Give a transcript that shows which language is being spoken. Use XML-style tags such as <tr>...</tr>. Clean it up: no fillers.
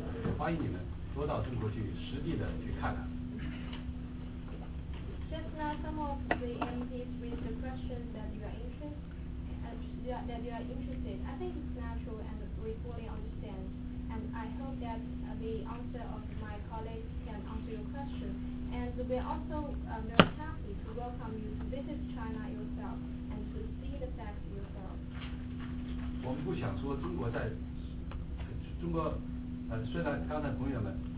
<zh>我觉得有些议员先生提出的问题，对有些问题可能不太希望进一步了解有关问题，我觉得这是很自然的，我们很理解。我们也希望呢，不知道我刚才的年轻外交官的解答是不知道你们这个对问题的了解，我们也希望呢有机会呢欢迎你们多到中国去实地的去看看。</zh> <en>Just now some of the MPs raised the questions that you are interested. I think it's natural and we fully understand. And I hope that the answer of my colleagues can answer your question. And we are also very happy to welcome you to visit China yourself and to see the facts yourself.</en> <zh>我们不想说中国在中国，虽然刚才朋友们</zh>